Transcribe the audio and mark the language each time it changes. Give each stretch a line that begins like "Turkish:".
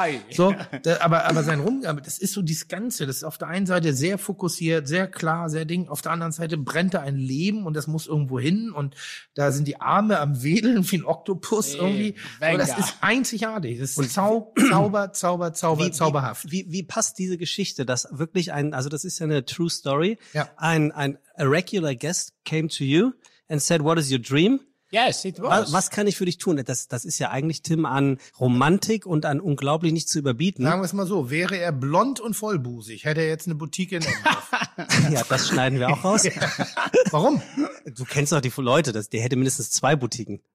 German: So, aber sein Rumgehampel, das ist so dieses Ganze. Das ist auf der einen Seite sehr fokussiert, sehr klar, sehr ding. Auf der anderen Seite brennt da ein Leben und das muss irgendwo hin. Und da sind die Arme am Wedeln wie ein Oktopus irgendwie. Aber das ist einzigartig. Das ist zauberhaft. Wie passt diese Geschichte, dass wirklich das ist ja eine true story. Ja.
English: Ein regular guest came to you and said, what is your dream? Yes, it was.
German: Was kann ich für dich tun? Das ist ja eigentlich, Tim, an Romantik und an unglaublich nicht zu überbieten. Sagen wir es mal so, wäre er blond und vollbusig, hätte er jetzt eine Boutique in Ja, das schneiden wir auch raus. Warum? Du kennst doch die Leute, der hätte mindestens 2 Boutiquen.